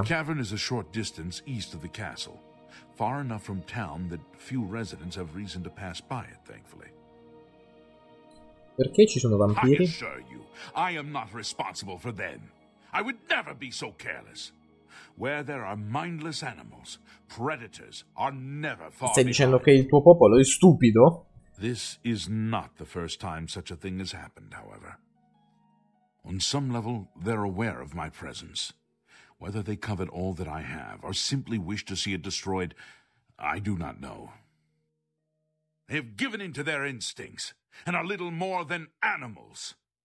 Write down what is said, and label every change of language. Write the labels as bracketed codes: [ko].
[en] The cavern is a short distance east of the castle, far enough from town that few residents have reason to pass by it, thankfully. [it] Perché ci sono vampiri? [en] I assure you, I am not responsible for them. I would never be so careless. Where there are mindless animals, predators are never far. [it] Stai dicendo che il tuo popolo è stupido? [en] This is not the first time such a thing has happened, however. On some level, they're aware of my presence. Whether they covet all that I have, or simply wish to see it destroyed, I do not know. They have given in to their instincts. And are little more than animals.